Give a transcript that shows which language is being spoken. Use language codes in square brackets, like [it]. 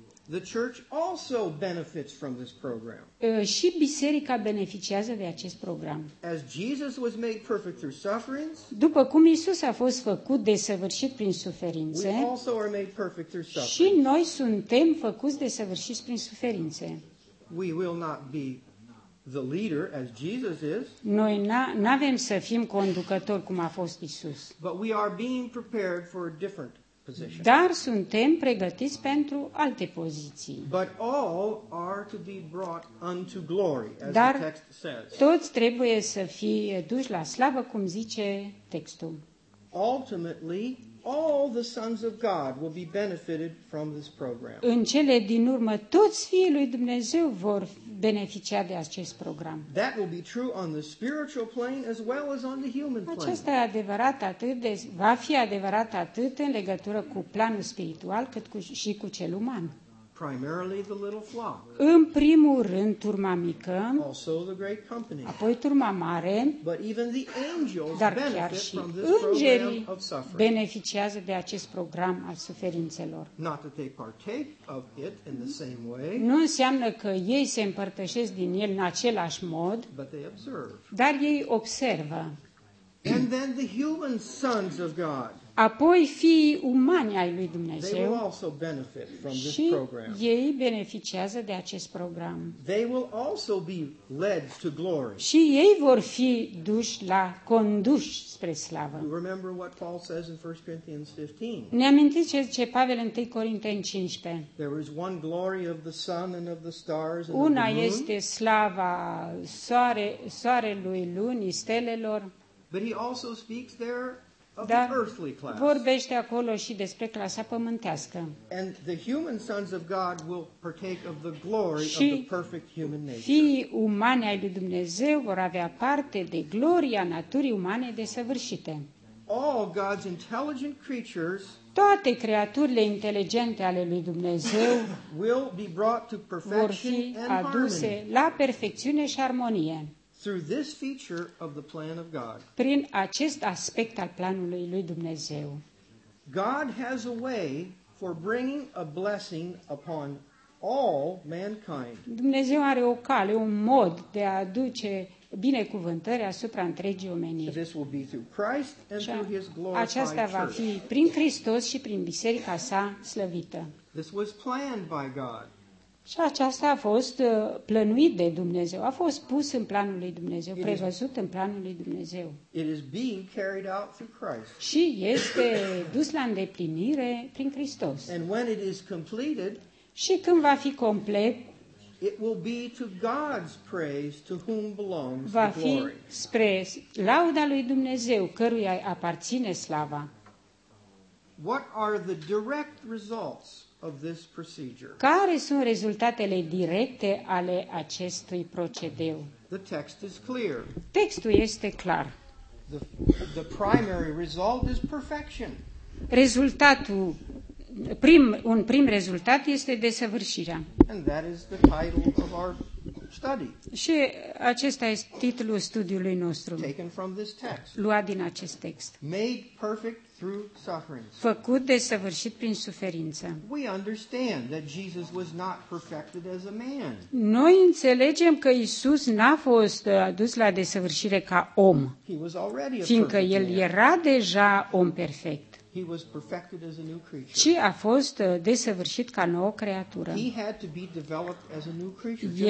[en] The church also benefits from this program. [ro] Și biserica beneficiază de acest program. [en] As Jesus was made perfect through sufferings, [ro] după cum Isus a fost făcut desăvârșit prin suferințe, [en] we also are made perfect through suffering. [ro] Și noi suntem făcuți desăvârșiți prin suferințe. [en] We will not be the leader as Jesus is. [ro] Noi n-avem să fim conducători cum a fost Isus. [en] But we are being prepared for a different position. [ro] Dar suntem pregătiți pentru alte poziții. [en] But all are to be brought unto glory, as [ro] dar [en] the text says. [ro] Toți trebuie să fie duși la slavă, cum zice textul. [en] Ultimately, all the sons of God will be benefited from this program. [ro] În cele din urmă, toți fiii lui Dumnezeu vor beneficia de acest program. [en] That will be true on the spiritual plane as well as on the human plane. [ro] Acesta e adevărat atât de, va fi adevărat atât în legătură cu planul spiritual, cât și cu cel uman. [en] Primarily the little flock. [ro] În primul rând turma mică. [en] Also the great company. [ro] Apoi turma mare. [en] But even the angels [ro] dar [en] benefit [ro] chiar și [en] from this [ro] îngerii [en] program of suffering. [ro] Beneficiază de acest program al suferințelor. [en] Not that they partake of it in the same way. [ro] Nu înseamnă că ei se împărtășesc din el în același mod. [en] But they observe. [ro] Dar ei observă. [en] And then the human sons of God. [ro] Apoi fiii umani ai lui Dumnezeu și ei beneficiază de acest program. [en] They will also be led to glory. [ro] Și ei vor fi duși la conduși spre slavă. [en] You remember what Paul says in 1 Corinthians 15? [ro] Ne amintiți ce zice Pavel în 1 Corinteni 15? [en] There is one glory of the sun and of the stars and [ro] una [en] of the moon. [ro] Este slava soarelui, lunii, stelelor. [en] But he also speaks there of [ro] dar [en] the earthly class. [ro] Vorbește acolo și despre clasa pământească. [en] And the human sons of God will partake of the glory [ro] și [en] of the perfect human nature. [ro] Și fiii umani ai lui Dumnezeu vor avea parte de gloria naturii umane desăvârșite. [en] All God's intelligent creatures, [ro] toate creaturile inteligente ale lui Dumnezeu, [en] will be brought to perfection [ro] vor fi aduse [en] and [ro] la perfecțiune și armonie. [en] Through this feature of the plan of God. [ro] Prin acest aspect al planului lui Dumnezeu. [en] God has a way for bringing a blessing upon all mankind. [ro] Dumnezeu are o cale, un mod de a aduce binecuvântări asupra întregii omeniri. [en] This will be through Christ and through his glorified church. [ro] Aceasta va fi prin Hristos și prin biserica sa slăvită. [en] This was planned by God. [ro] Și aceasta a fost plănuit de Dumnezeu, a fost pus în planul lui Dumnezeu, prevăzut în planul lui Dumnezeu. [en] It is being carried out through Christ. [ro] Și este dus la îndeplinire prin Hristos. [en] And when it is completed, [ro] și când va fi complet, [en] it will be to God's praise to whom belongs the glory. [ro] Va fi spre lauda lui Dumnezeu, căruia aparține slava. [en] What are the direct results of this procedure? [ro] Care sunt rezultatele directe ale acestui procedeu? [en] The text is clear. [ro] Textul este clar. [en] The primary result is perfection. [ro] Rezultatul prim, un prim rezultat este desăvârșirea. [en] And that is the title of our study. [ro] Și acesta este titlul studiului nostru. [en] Taken from this text. [ro] Luat din acest text. [en] Made perfect through suffering. [ro] Făcut desăvârșit prin suferință. [en] We understand that Jesus was not perfected as a man. [ro] Noi înțelegem că Iisus n-a fost adus la desăvârșire ca om. [en] He was already a perfect man. [ro] Fiindcă el era deja om perfect. [en] He was perfected as a new creature. [ro] Și a fost desăvârșit ca nouă creatură. [en] He had to be developed as a new creature.